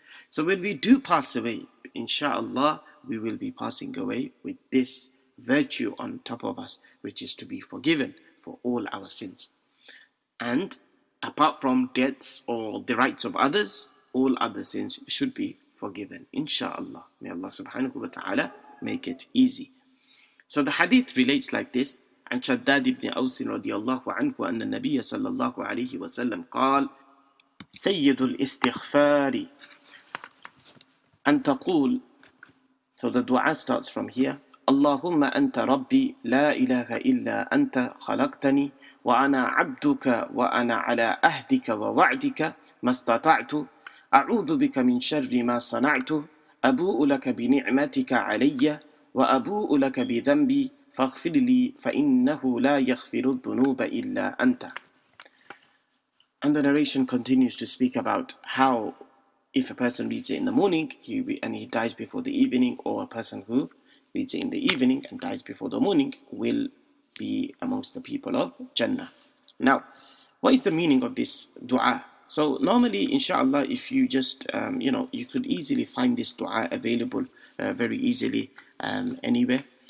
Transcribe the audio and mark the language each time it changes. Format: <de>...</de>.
<en>So when we do pass away, inshallah, we will be passing away with this virtue on top of us, which is to be forgiven for all our sins. And apart from debts or the rights of others, all other sins should be forgiven, inshallah. May Allah subhanahu wa ta'ala make it easy. So the hadith relates like this.</en> <ar>عن شداد بن أوس رضي الله عنه أن النبي صلى الله عليه وسلم قال سيد الاستغفار أن تقول.</ar> <en>So the dua starts from here.</en> <ar>اللهم أنت ربي لا إله إلا أنت خلقتني وأنا عبدك وأنا على أهدك ووعدك ما استطعت أعوذ بك من شر ما صنعت أبوء لك بنعمتك علي وأبوء لك بذنبي فَغْفِرْ لِي فَإِنَّهُ لَا يَغْفِرُ الذُّنُوبَ إِلَّا أَنْتَ.</ar> <en>And the narration continues to speak about how if a person reads it in the morning he dies before the evening, or a person who reads it in the evening and dies before the morning will be amongst the people of Jannah. Now, what is the meaning of this dua? So normally, inshallah, if you just, you could easily find this dua available very easily anywhere.</en>